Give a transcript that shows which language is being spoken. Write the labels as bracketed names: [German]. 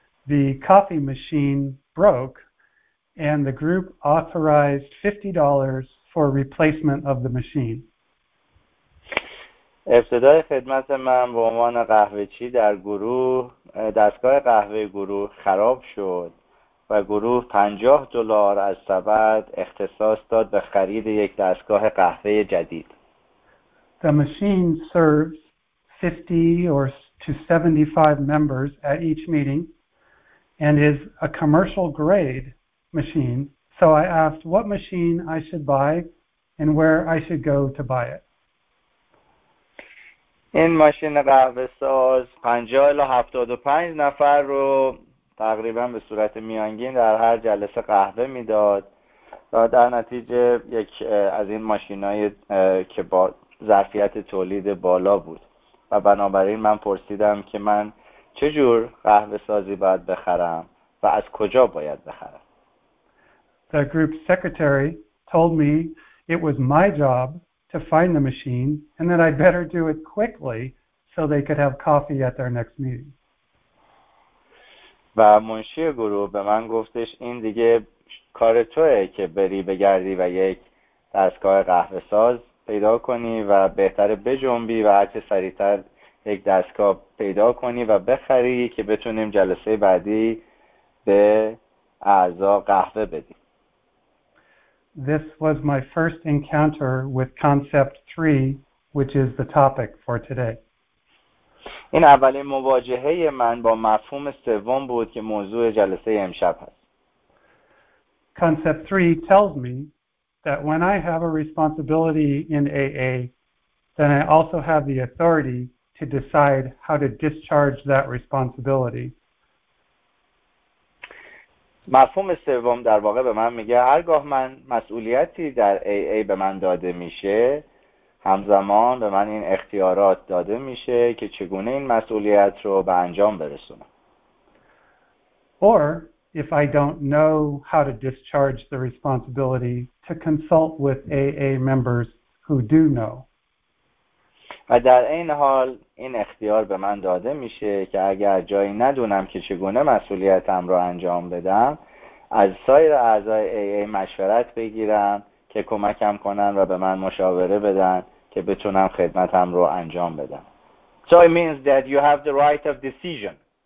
[English] the coffee machine broke, and the group authorized $50 for replacement of the machine. [Persian] ابتدای خدمت من به عنوان قهوه‌چی در گروه دستگاه قهوه گروه خراب شد و گروه $50 از سبد اختصاص داد به خرید یک دستگاه قهوه جدید. [English] The machine serves 50 or to 75 members at each meeting and is a commercial grade machine, so I asked what machine I should buy and where I should go to buy it. [Persian] این ماشین قهوه ساز 50 الی 75 نفر رو تقریبا به صورت میانگین در هر جلسه قهوه میداد و در نتیجه یک از این ماشینای که با ظرفیت تولید بالا بود و بنابراین من پرسیدم که من چه جور قهوه سازی باید بخرم و از کجا باید بخرم. [English] The group secretary told me it was my job to find the machine and that I'd better do it quickly so they could have coffee at their next meeting. [Persian] و منشی گروه به من گفتش این دیگه کار توئه که بری بگردی و یک دستگاه قهوه ساز پیدا کنی و بهتره بجنبی و هر چه سریعتر یک دستگاه پیدا کنی و بخری که بتونیم جلسه بعدی به اعضا قهوه بدیم. [English] This was my first encounter with concept 3, which is the topic for today. [Persian] این اولین مواجهه من با مفهوم سوم بود که موضوع جلسه امشب هست. [English] Concept 3 tells me that when I have a responsibility in AA, then I also have the authority to decide how to discharge that responsibility. [Persian] مفهوم سوم در واقع به من میگه هرگاه من مسئولیتی در AA به من داده میشه همزمان به من این اختیارات داده میشه که چگونه این مسئولیت رو به انجام برسونم. [English] Or if I don't know how to discharge the responsibility, to consult with AA members who do know. [Persian] و در این حال این اختیار به من داده میشه که اگر جایی ندونم که چگونه مسئولیتم رو انجام بدم از سایر اعضای AA مشورت بگیرم که کمکم کنن و به من مشاوره بدن که بتونم خدمتم رو انجام بدم. [English] So it means that you have the right of decision.